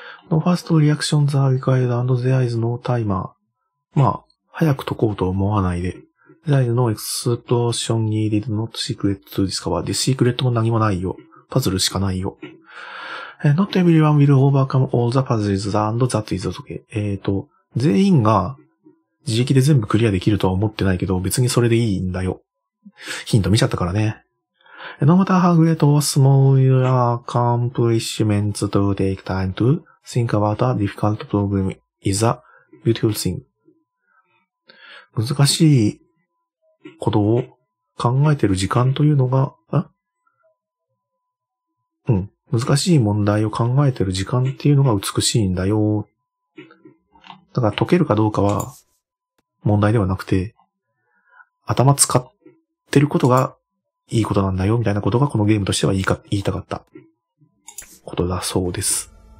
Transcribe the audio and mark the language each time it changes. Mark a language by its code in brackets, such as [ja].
[en] No fast reactions are required and there is no timer. [ja] まあ、早く解こうと思わないで。 [en] There is no explosion needed, not secret to discover. [ja] The secret も何もないよ。パズルしかないよ。 [en] Not everyone will overcome all the puzzles and that is okay. [ja] 全員が自力で全部クリアできるとは思ってないけど、別にそれでいいんだよ。ヒント見ちゃったからね。 [en] No matter how great or small your accomplishments do take time to think about a difficult problem is a beautiful thing. [ja] 難しいことを考えている時間というのが、難しい問題を考えている時間っていうのが美しいんだよ。だから解けるかどうかは問題ではなくて、頭使ってることがいいことなんだよ、みたいなことがこのゲームとしては言いたかったことだそうです。